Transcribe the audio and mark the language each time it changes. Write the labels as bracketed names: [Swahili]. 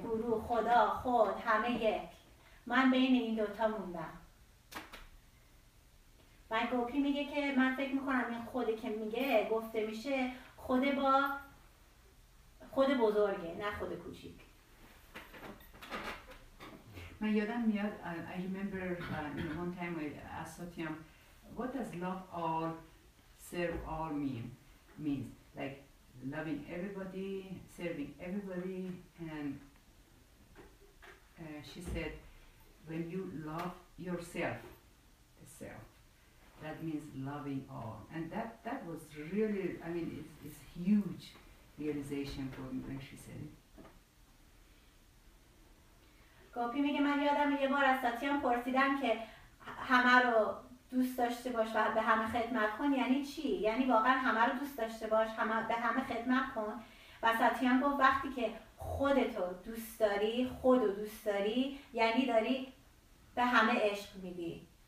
[Persian] گروه، خدا، خود، همه یک. من بین این دوتا موندم. من گوپی میگه که من فکر میکنم این خودی که میگه گفته میشه خود با خود بزرگه، نه خود کوچیک. من یادم میاد [English] I remember one time I asked him what does love all serve all mean means like loving everybody serving everybody and she said when you love yourself the self that means loving all. And that was really, I mean, it's huge realization for me when she said it. [Persian] گوپی میگه من یادم یه بار از ساتیان پرسیدم که همه رو دوست داشته باش و به همه خدمت کن یعنی چی؟ یعنی واقعا همه رو دوست داشته باش، همه به همه خدمت کن. و ساتیان گفت وقتی که خودتو دوست داری، خودو دوست داری، یعنی داری به همه عشق میدی.